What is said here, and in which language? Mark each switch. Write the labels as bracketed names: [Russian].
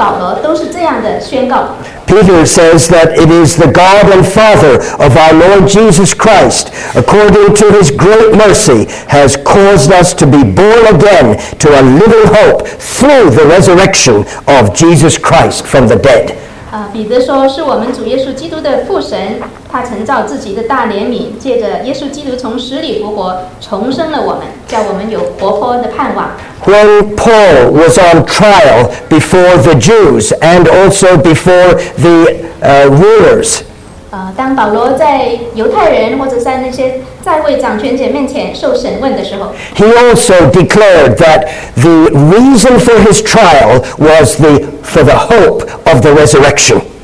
[English] Peter says that it is the God and Father of our Lord Jesus Christ, according to his great mercy, has caused us to be born again to a living hope through the resurrection of Jesus Christ from the dead. [Chinese] 彼得说是我们主耶稣基督的父神他曾造自己的大怜悯借着耶稣基督从死里复活重生了我们叫我们有活泼的盼望 [English] When Paul was on trial before the Jews and also before the rulers [Chinese] 当保罗在犹太人或者在那些在位掌权者面前受审问的时候 [English] He also declared that the reason for his trial was the for the hope of the resurrection.